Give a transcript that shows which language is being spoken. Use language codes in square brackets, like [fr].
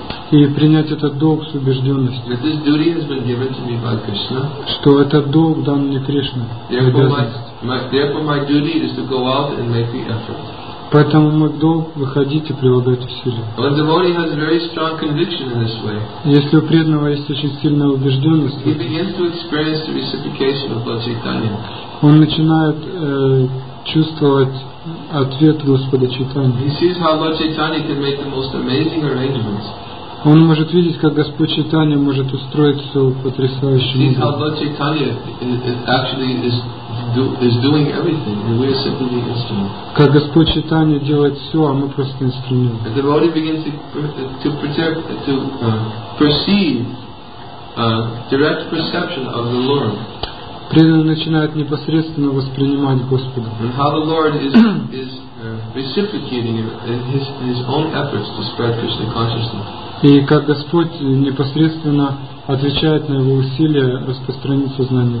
[ru] И принять этот долг с убежденностью. [en] That this duty has been given to me by Krishna. [ru] Что этот долг дан мне Кришной. [en] Therefore my duty is to go out and make the effort. [ru] Поэтому мы должны выходить и прилагать усилия. [en] When the devotee has a very strong conviction in this way, [ru] если у преданного есть очень сильная убежденность, [en] he begins to experience the reciprocation of Lord Chaitanya. [ru] Он начинает чувствовать ответ Господа Чайтаньи. [en] He sees how Lord Chaitanya can make the most amazing arrangements. [ru] Он может видеть, как Господь Чайтанья может устроить все потрясающе. [en] He sees how Lord Chaitanya actually is doing everything, and we are simply the instrument. [ru] Как Господь Чайтанья делает все, а мы просто инструмент. [en] The devotee begins to perceive direct perception of the Lord. [ru] Преданный начинает непосредственно воспринимать Господа. [en] And how the Lord is reciprocating in his own efforts to spread Krishna consciousness. [ru] И как Господь непосредственно отвечает на его усилия распространить сознание